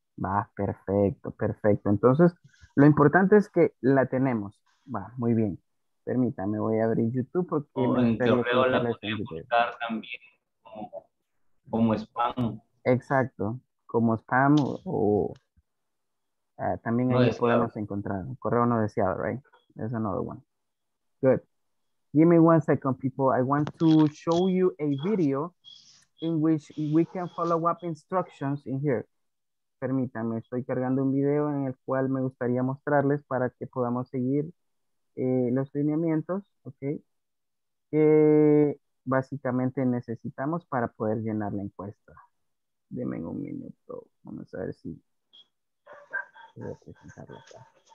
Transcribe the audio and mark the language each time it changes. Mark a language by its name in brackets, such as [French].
[Spanish] Va, perfecto, perfecto. Entonces, lo importante es que la tenemos. Va, muy bien. Permítame, voy a abrir YouTube porque... Oh, en correo la podemos buscar también como spam. Exacto, como spam o también ahí podemos encontrar. Correo no deseado, [English] right? That's another one. Good. Give me one second, people. I want to show you a video in which we can follow up instructions in here. [Spanish] Permítame, estoy cargando un video en el cual me gustaría mostrarles para que podamos seguir los lineamientos, ¿ok? Que básicamente necesitamos para poder llenar la encuesta. Deme un minuto, vamos a ver si puedo presentarlo acá.